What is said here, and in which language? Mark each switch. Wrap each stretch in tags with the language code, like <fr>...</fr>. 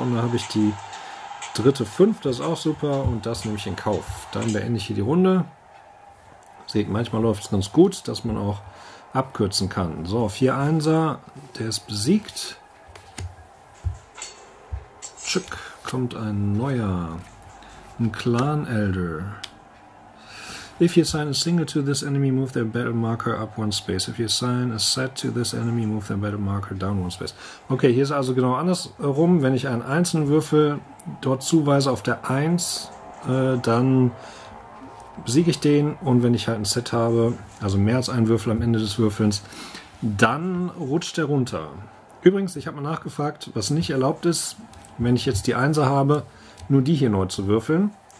<de>Und da habe ich die dritte 5, das ist auch super. Und das nehme ich in Kauf. Dann beende ich hier die Runde. Sieht, manchmal läuft es ganz gut, dass man auch abkürzen kann. So, 4-1er, der ist besiegt. Tschück, kommt ein neuer. Ein Clan-Elder.</de> <en>If you assign a single to this enemy, move their battle marker up one space. If you assign a set to this enemy, move their battle marker down one space.</en> <de>Okay, hier ist also genau andersrum. Wenn ich einen einzelnen Würfel dort zuweise auf der 1, dann besiege ich den. Und wenn ich halt ein Set habe, also mehr als einen Würfel am Ende des Würfelns, dann rutscht der runter. Übrigens, ich habe mal nachgefragt, was nicht erlaubt ist, wenn ich jetzt die 1er habe, nur die hier neu zu würfeln.</de>